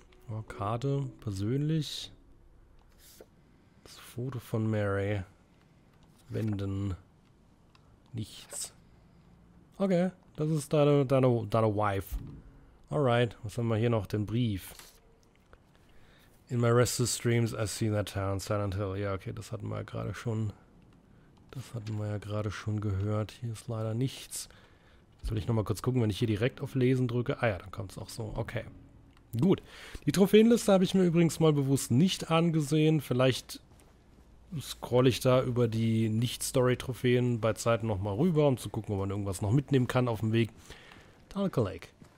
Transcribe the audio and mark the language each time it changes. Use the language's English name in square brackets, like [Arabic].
[German] Oh, Karte, persönlich. Das Foto von Mary. Wenden. Nichts. Okay, das ist deine Wife. Alright, was haben wir hier noch? Den Brief. [English] In my restless dreams I see that town, Silent Hill. [German] Ja, okay, das hatten wir ja gerade schon. Das hatten wir ja gerade schon gehört. Hier ist leider nichts. Soll ich nochmal kurz gucken, wenn ich hier direkt auf Lesen drücke? Ah ja, dann kommt es auch so. Okay. Gut. Die Trophäenliste habe ich mir übrigens mal bewusst nicht angesehen. Vielleicht scrolle ich da über die Nicht-Story-Trophäen bei Zeiten nochmal rüber, um zu gucken, ob man irgendwas noch mitnehmen kann auf dem Weg. Tarlaker Lake.